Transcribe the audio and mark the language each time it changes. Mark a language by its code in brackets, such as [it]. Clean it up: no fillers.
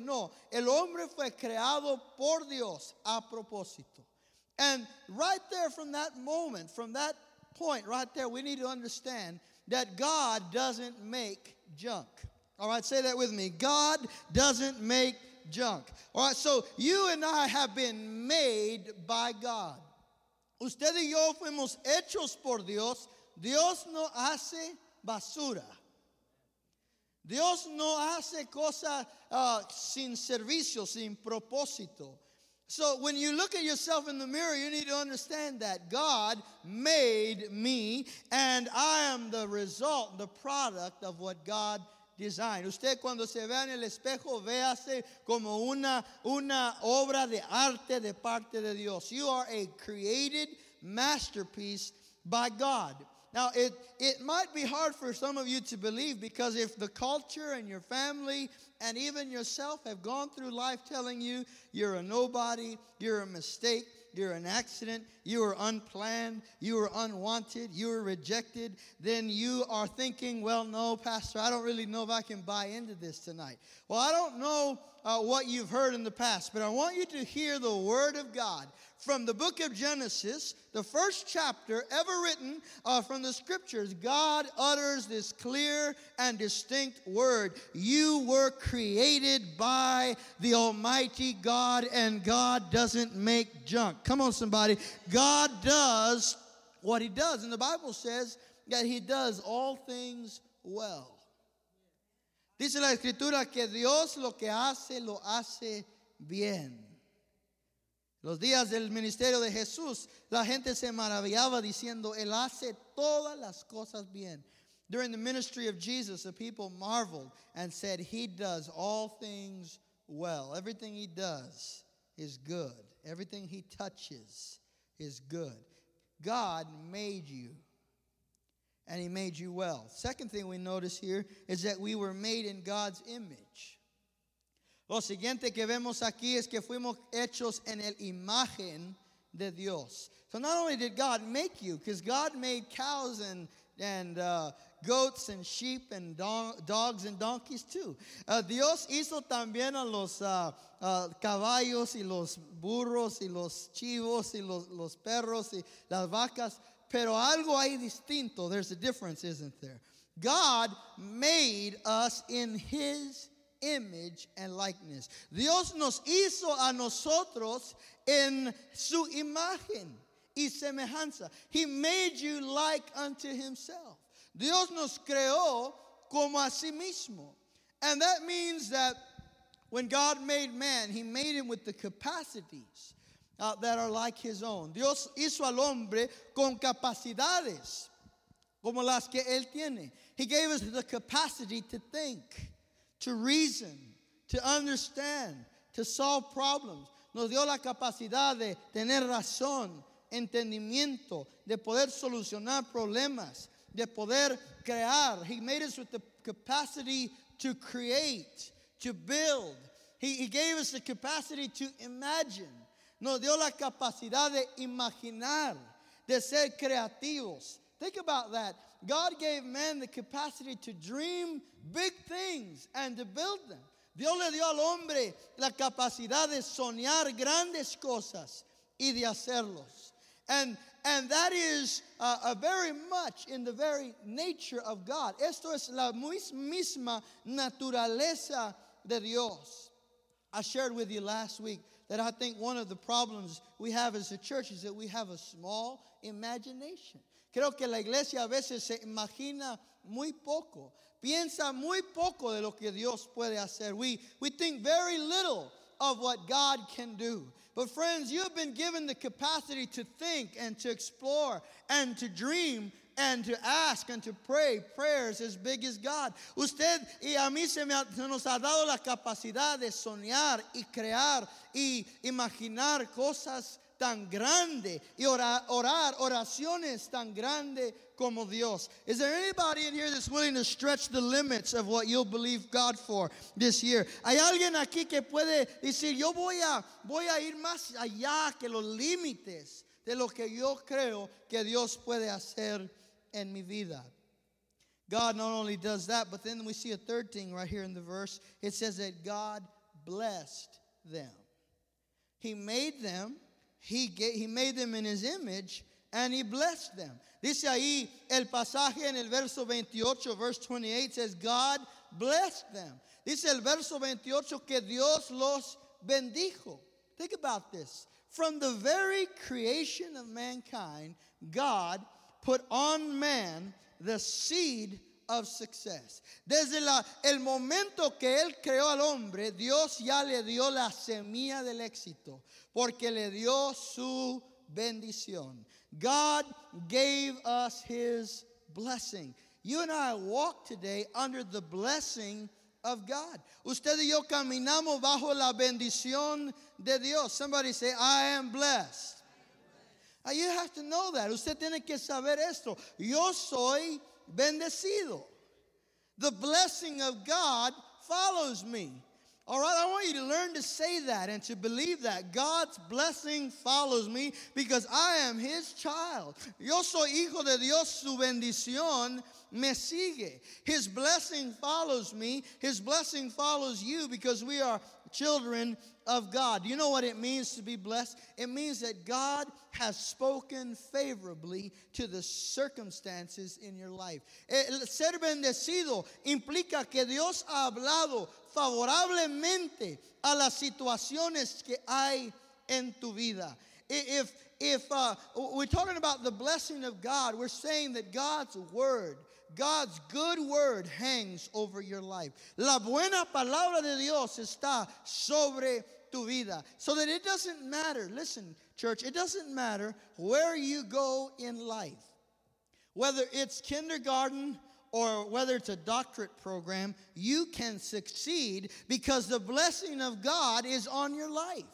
[es] No, el hombre fue creado por Dios a propósito. [en] And right there from that moment, from that point right there, we need to understand that God doesn't make junk. All right, say that with me. God doesn't make junk. All right, so you and I have been made by God. [es] Usted y yo fuimos hechos por Dios. Dios no hace basura. Dios no hace cosas sin servicio, sin propósito. [en] So when you look at yourself in the mirror, you need to understand that God made me, and I am the result, the product of what God designed. [es] Usted cuando se vea en el espejo, véase como una obra de arte de parte de Dios. [en] You are a created masterpiece by God. Now, it might be hard for some of you to believe, because if the culture and your family and even yourself have gone through life telling you you're a nobody, you're a mistake, you're an accident, you are unplanned, you are unwanted, you are rejected, then you are thinking, well, no, Pastor, I don't really know if I can buy into this tonight. Well, I don't know what you've heard in the past, but I want you to hear the Word of God. From the book of Genesis, the first chapter ever written from the scriptures, God utters this clear and distinct word. You were created by the Almighty God, and God doesn't make junk. Come on, somebody. God does what he does. And the Bible says that he does all things well. [es] Dice la escritura que Dios lo hace bien. Los días del ministerio de Jesús, la gente se maravillaba diciendo, Él hace todas las cosas bien. [en] During the ministry of Jesus, the people marveled and said, He does all things well. Everything He does is good. Everything He touches is good. God made you, and He made you well. Second thing we notice here is that we were made in God's image. [es] Lo siguiente que vemos aquí es que fuimos hechos en el imagen de Dios. [en] So not only did God make you, because God made cows and goats and sheep and dogs and donkeys too. [es] Dios hizo también a los caballos y los burros y los chivos y los perros y las vacas. Pero algo ahí distinto. [en] There's a difference, isn't there? God made us in His image and likeness. [es] Dios nos hizo a nosotros en su imagen y semejanza. [en] He made you like unto himself. [es] Dios nos creó como a sí mismo. [en] And that means that when God made man, he made him with the capacities that are like his own. [es] Dios hizo al hombre con capacidades como las que él tiene. [en] He gave us the capacity to think, to reason, to understand, to solve problems. [es] Nos dio la capacidad de tener razón, entendimiento, de poder solucionar problemas, de poder crear. [en] He made us with the capacity to create, to build. He gave us the capacity to imagine. [es] Nos dio la capacidad de imaginar, de ser creativos. [en] Think about that. God gave man the capacity to dream big things and to build them. [es] Dios le dio al hombre la capacidad de soñar grandes cosas y de hacerlos. [en] And that is a very much in the very nature of God. [es] Esto es la misma naturaleza de Dios. [en] I shared with you last week. that I think one of the problems we have as a church is that we have a small imagination. [es] Creo que la iglesia a veces se imagina muy poco. Piensa muy poco de lo que Dios puede hacer. [en] We think very little of what God can do. But friends, you have been given the capacity to think and to explore and to dream and to ask and to pray prayers as big as God. [es] Usted y a mí se nos ha dado la capacidad de soñar y crear y imaginar cosas tan grande y orar oraciones tan grande como Dios. [en] Is there anybody in here that's willing to stretch the limits of what you'll believe God for this year? [es] ¿Hay alguien aquí que puede decir, yo voy a ir más allá que los límites de lo que yo creo que Dios puede hacer en mi vida? [en] God not only does that, but then we see a third thing right here in the verse. It says that God blessed them. He made them. He made them in his image, and he blessed them. [es] Dice ahí el pasaje en el verso 28, [en] verse 28 says, God blessed them. [es] Dice el verso 28 que Dios los bendijo. [en] Think about this. From the very creation of mankind, God put on man the seed of success. [es] Desde el momento que él creó al hombre, Dios ya le dio la semilla del éxito, porque le dio su bendición. [en] God gave us his blessing. You and I walk today under the blessing of God. [es] Usted y yo caminamos bajo la bendición de Dios. [en] Somebody say, I am blessed. You have to know that. [es] Usted tiene que saber esto. Yo soy bendecido. [en] The blessing of God follows me. All right, I want you to learn to say that and to believe that. God's blessing follows me because I am his child. [es] Yo soy hijo de Dios, su bendición me sigue. [en] His blessing follows me. His blessing follows you because we are children of God. You know what it means to be blessed? It means that God has spoken favorably to the circumstances in your life. [es] El ser bendecido implica que Dios ha hablado favorablemente a las situaciones que hay en tu vida. [en] If we're talking about the blessing of God, we're saying that God's word, God's good word hangs over your life. [es] La buena palabra de Dios está sobre tu vida. [en] So that it doesn't matter, listen, church, it doesn't matter where you go in life, whether it's kindergarten or whether it's a doctorate program, you can succeed because the blessing of God is on your life.